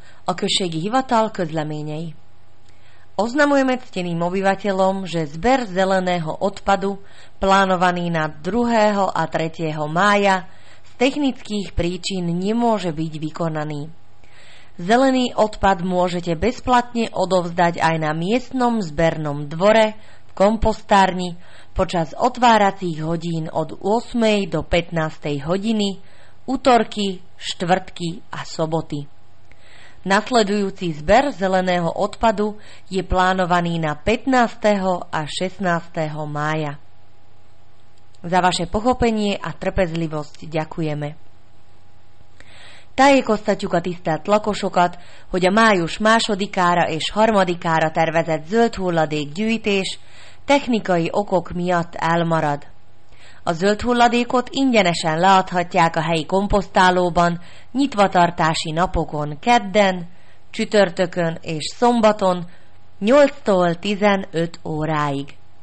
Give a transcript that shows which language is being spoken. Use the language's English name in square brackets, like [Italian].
[Hungarian] Okršej Hivatal Közleményei. [Slovak] Oznamujeme cteným obyvateľom, že zber zeleného odpadu, plánovaný na 2. a 3. mája, z technických príčin nemôže byť vykonaný. Zelený odpad môžete bezplatne odovzdať aj na miestnom zbernom dvore, v kompostárni, počas otváracích hodín od 8. do 15. hodiny, utorky, štvrtky a soboty. Nasledujúci zber zeleného odpadu je plánovaný na 15. a 16. mája. Za vaše pochopenie a trpezlivosť ďakujeme. [Hungarian] Tájeko sa ťukatisztá tlakosokat, hogy a május másodikára és harmadikára tervezett zöld hulladék gyűjtés technikai okok miatt elmarad. A zöld hulladékot ingyenesen leadhatják a helyi komposztálóban nyitvatartási napokon kedden, csütörtökön és szombaton 8-tól 15 óráig.